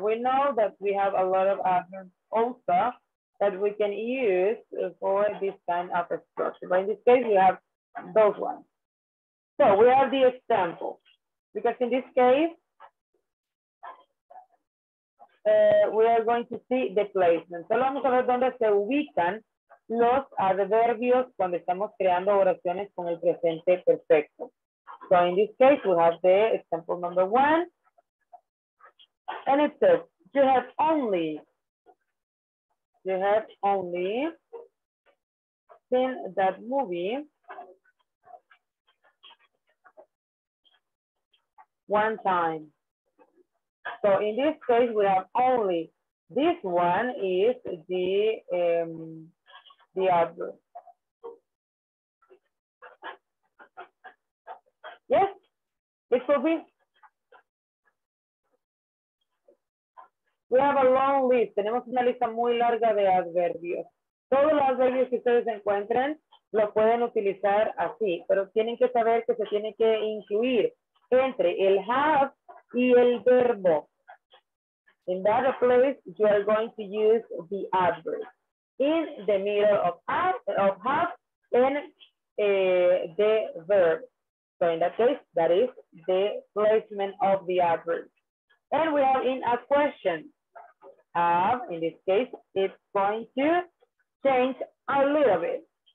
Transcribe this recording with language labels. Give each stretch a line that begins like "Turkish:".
English: We know that we have a lot of adverbs also that we can use for this kind of a structure. But in this case, we have those ones. So we have the example, because in this case, we are going to see the placement.
Spanish: Solo vamos a ver dónde se ubican los adverbios cuando estamos creando oraciones con el presente perfecto.
English: So in this case, we have the example number one. And it says, you have only seen that movie one time. So in this case, we have only, this one is the adverb. Yes, it will be. We have a long list.
Spanish: Tenemos una lista muy larga de adverbios. Todos los adverbios que ustedes encuentren lo pueden utilizar así, pero tienen que saber que se tiene que incluir entre el have y el verbo.
English: In that place, you are going to use the adverb. In the middle of have and the verb. So in that case, that is the placement of the adverb. And we are in a question. In this case, it's going to change a little bit.